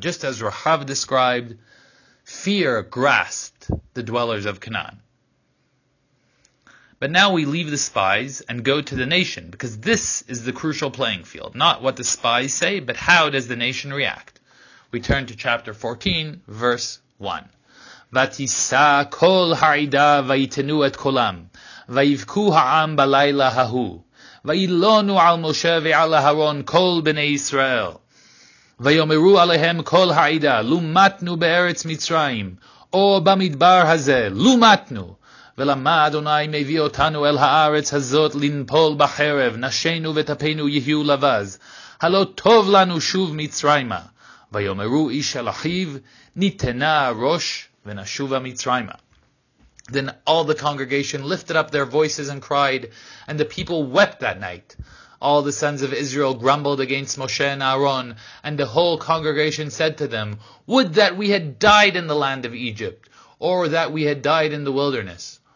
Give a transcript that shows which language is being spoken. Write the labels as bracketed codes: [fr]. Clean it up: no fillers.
[en] Just as Rahab described, fear grasped the dwellers of Canaan. But now we leave the spies and go to the nation, because this is the crucial playing field. Not what the spies say, but how does the nation react? We turn to chapter 14, verse 1. [he] ותישא כל העדה ויתנו את קולם, ויבכו העם בלילה ההוא, וילונו על משה ועל אהרון כל בני ישראל, ויאמרו עליהם כל העדה, לו מתנו בארץ מצרים, או במדבר הזה, לו מתנו, ולמה אדוני מביא אותנו אל הארץ הזאת לנפול בחרב, נשינו וטפינו יהיו לבז, הלא טוב לנו שוב מצרימה. ויאמרו איש אל אחיו, ניתנה ראש ונשובה מצרימה. [en] Then all the congregation lifted up their voices and cried, and the people wept that night. All the sons of Israel grumbled against Moshe and Aaron, and the whole congregation said to them, would that we had died in the land of Egypt, or that we had died in the wilderness.